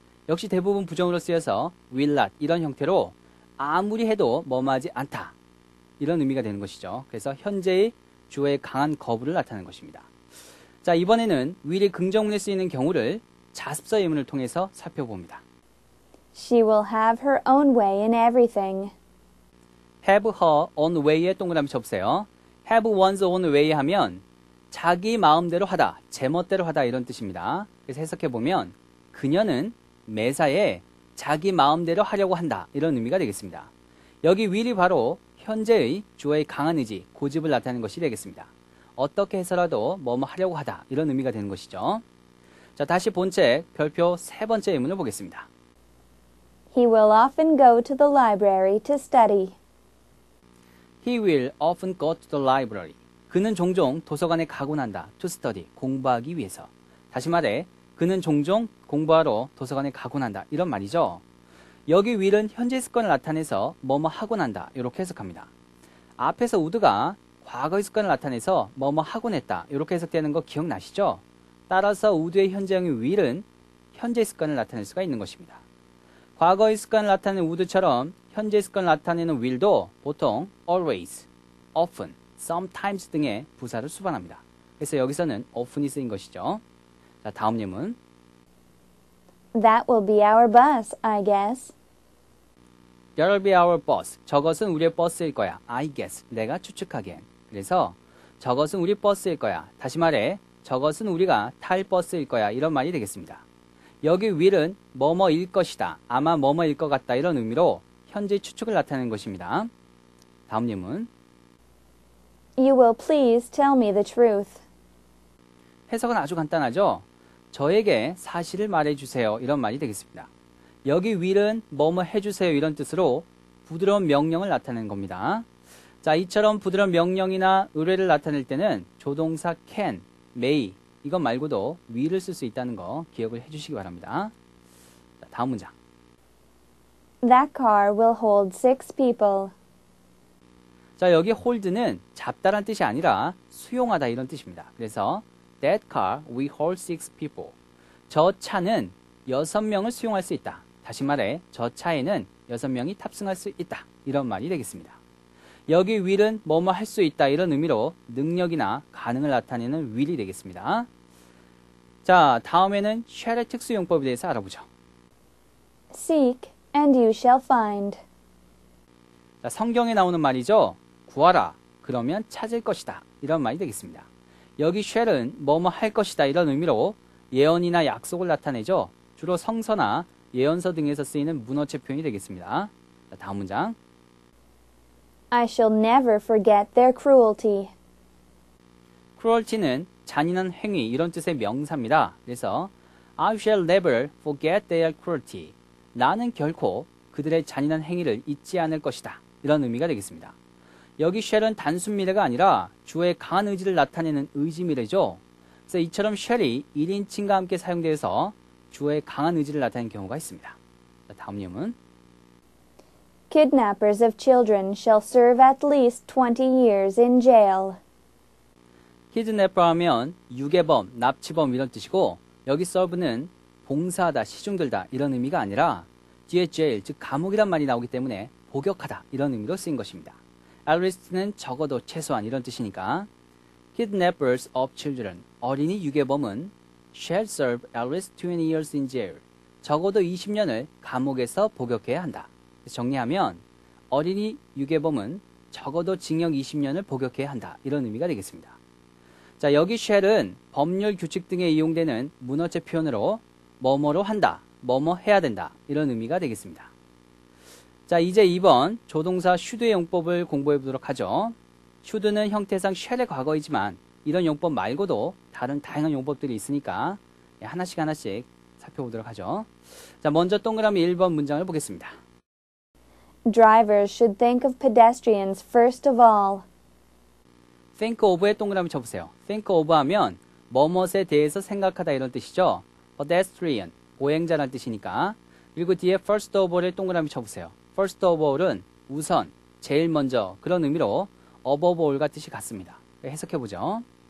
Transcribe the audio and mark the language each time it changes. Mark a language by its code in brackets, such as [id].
[ko] 역시 대부분 부정으로 쓰여서 will not 이런 형태로 아무리 해도 뭐하지 않다 이런 의미가 되는 것이죠. 그래서 현재의 주어의 강한 거부를 나타내는 것입니다. 자, 이번에는 will이 긍정문에 쓰이는 경우를 자습서 예문을 통해서 살펴봅니다. [en] She will have her own way in everything. [ko] Have her own way에 동그라미 접세요. Have one's own way 하면 자기 마음대로 하다, 제멋대로 하다 이런 뜻입니다. 그래서 해석해보면 그녀는 매사에 자기 마음대로 하려고 한다 이런 의미가 되겠습니다. 여기 will이 바로 현재의 주어의 강한 의지, 고집을 나타내는 것이 되겠습니다. 어떻게 해서라도 뭐뭐 하려고 하다 이런 의미가 되는 것이죠. 자, 다시 본책 별표 세 번째 예문을 보겠습니다. [en] He will often go to the library to study. He will often go to the library. [ko] 그는 종종 도서관에 가곤 한다. [en] To study, [ko] 공부하기 위해서. 다시 말해, 그는 종종 공부하러 도서관에 가곤 한다. 이런 말이죠. 여기 will은 현재 습관을 나타내서 뭐뭐 하곤 한다. 이렇게 해석합니다. 앞에서 would가 과거의 습관을 나타내서 뭐뭐 하곤 했다. 이렇게 해석되는 거 기억나시죠? 따라서 would의 현재형의 will은 현재 습관을 나타낼 수가 있는 것입니다. 과거의 습관을 나타내는 would처럼 현재 습관을 나타내는 will도 보통 always, often, sometimes 등의 부사를 수반합니다. 그래서 여기서는 often이 쓰인 것이죠. 자, 다음 예문. [en] That will be our bus, I guess. That'll be our bus. [ko] 저것은 우리의 버스일 거야. [en] I guess. [ko] 내가 추측하기엔. 그래서 저것은 우리 버스일 거야. 다시 말해, 저것은 우리가 탈 버스일 거야. 이런 말이 되겠습니다. 여기 will은 뭐뭐일 것이다. 아마 뭐뭐일 것 같다. 이런 의미로 현재 추측을 나타내는 것입니다. 다음 예문. [en] You will please tell me the truth. [ko] 해석은 아주 간단하죠. 저에게 사실을 말해주세요. 이런 말이 되겠습니다. 여기 will은 뭐뭐 해주세요. 이런 뜻으로 부드러운 명령을 나타내는 겁니다. 자, 이처럼 부드러운 명령이나 의뢰를 나타낼 때는 조동사 can, may 이것 말고도 will을 쓸 수 있다는 거 기억을 해주시기 바랍니다. 자, 다음 문장. [en] That car will hold six people. [ko] 자, 여기 hold는 잡다란 뜻이 아니라 수용하다 이런 뜻입니다. [en] 그래서 That car will hold six people. [ko] 저 차는 여섯 명을 수용할 수 있다. 다시 말해, 저 차에는 여섯 명이 탑승할 수 있다. 이런 말이 되겠습니다. 여기 will은 뭐뭐 할 수 있다. 이런 의미로 능력이나 가능을 나타내는 will이 되겠습니다. 자, 다음에는 shall의 특수용법에 대해서 알아보죠. [en] Seek and you shall find. [ko] 자, 성경에 나오는 말이죠. 구하라, 그러면 찾을 것이다. 이런 말이 되겠습니다. 여기 shall은 뭐뭐 할 것이다 이런 의미로 예언이나 약속을 나타내죠. 주로 성서나 예언서 등에서 쓰이는 문어체 표현이 되겠습니다. 자, 다음 문장. [en] I shall never forget their cruelty. [ko] Cruelty는 잔인한 행위 이런 뜻의 명사입니다. [en] 그래서 I shall never forget their cruelty. [ko] 나는 결코 그들의 잔인한 행위를 잊지 않을 것이다 이런 의미가 되겠습니다. 여기 shall은 단순 미래가 아니라 주어의 강한 의지를 나타내는 의지 미래죠. 그래서 이처럼 shall이 1인칭과 함께 사용되어서 주어의 강한 의지를 나타내는 경우가 있습니다. 다음 예문. [en] Kidnappers of children shall serve at least 20 years in jail. [ko] Kidnapper 하면 유괴범, 납치범 이런 뜻이고 여기 serve는 봉사하다, 시중들다 이런 의미가 아니라 뒤에 jail, 즉 감옥이란 말이 나오기 때문에 복역하다 이런 의미로 쓰인 것입니다. At least는 적어도 최소한 이런 뜻이니까 [en] Kidnappers of children, [ko] 어린이 유괴범은 [en] shall serve at least 20 years in jail, [ko] 적어도 20년을 감옥에서 복역해야 한다. 정리하면 어린이 유괴범은 적어도 징역 20년을 복역해야 한다. 이런 의미가 되겠습니다. 자, 여기 shall은 법률 규칙 등에 이용되는 문어체 표현으로 뭐뭐로 한다, 뭐뭐 해야 된다 이런 의미가 되겠습니다. 자, 이제 2번 조동사 should의 용법을 공부해 보도록 하죠. should는 형태상 shall의 과거이지만 이런 용법 말고도 다른 다양한 용법들이 있으니까 하나씩 살펴보도록 하죠. 자, 먼저 동그라미 1번 문장을 보겠습니다. Drivers should think of pedestrians first of all. Think of에 동그라미 쳐보세요. Think of 하면 뭐뭇에 대해서 생각하다 이런 뜻이죠. Pedestrian, 보행자란 뜻이니까. 그리고 뒤에 first of all을 동그라미 쳐보세요. First of all은 우선, 제일 먼저 그런 의미로 above all과 뜻이 같습니다. 해석해보죠.